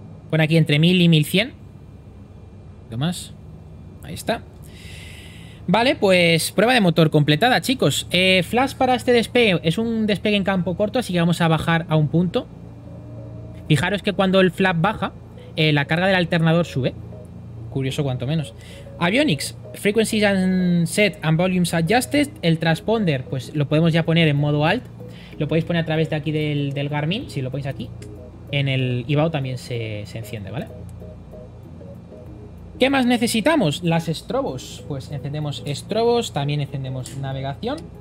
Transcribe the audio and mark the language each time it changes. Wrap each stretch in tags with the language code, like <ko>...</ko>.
<es>Pon aquí entre 1000 y 1100. Lo más. Ahí está. Vale, pues prueba de motor completada, chicos. Flash para este despegue es un despegue en campo corto, así que vamos a bajar a un punto. Fijaros que cuando el flap baja, la carga del alternador sube. Curioso, cuanto menos.</es> <en>Avionics, frequencies and set and volumes adjusted.</en> <es>El transponder, pues lo podemos ya poner en modo alt. Lo podéis poner a través de aquí del Garmin, si lo ponéis aquí. En el IBAO también se enciende, ¿vale? ¿Qué más necesitamos? Las estrobos. Pues encendemos estrobos, también encendemos navegación.</es>